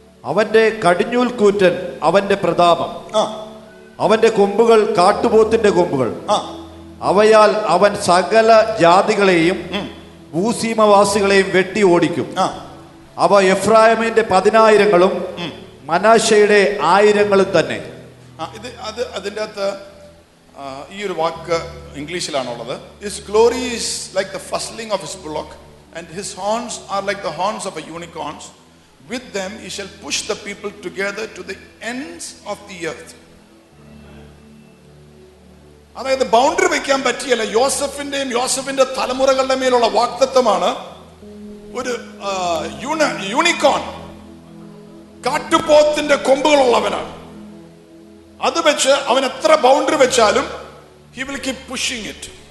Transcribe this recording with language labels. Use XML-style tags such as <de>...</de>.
<ml>അവന്റെ കടിഞ്ഞൂൽ കൂറ്റൻ അവന്റെ പ്രതാപം, അവന്റെ കൊമ്പുകൾ കാട്ടുപോത്തിന്റെ കൊമ്പുകൾ, അവയാൽ അവൻ സകല ജാതികളെയും ഭൂസീമവാസികളെയും വെട്ടി ഓടിക്കും. അവ എഫ്രായമിന്റെ 10,000 മനാശയുടെ 1,000 തന്നെ. ഇത് അത് അതിന്റെ അകത്ത് ഈ ഒരു വാക്ക് ഇംഗ്ലീഷിലാണുള്ളത്.</ml> <en>His glory is like the fustling of his bullock and his horns are like the horns of a unicorn. With them he shall push the people together to the ends of the earth.</en> <ml>അതായത് boundary വെക്കാൻ പറ്റിയല്ല. യോസഫിന്റെയും യോസഫിന്റെ തലമുറകളുടെ മേലുള്ള വാക്തത്വമാണ് ഒരു unicorn, കാട്ടുപോത്തിന്റെ കൊമ്പുകളുള്ളവനാണ്. അത് വെച്ച് അവൻ എത്ര ബൗണ്ടറി വെച്ചാലും</ml> <en>He will keep pushing it.</en>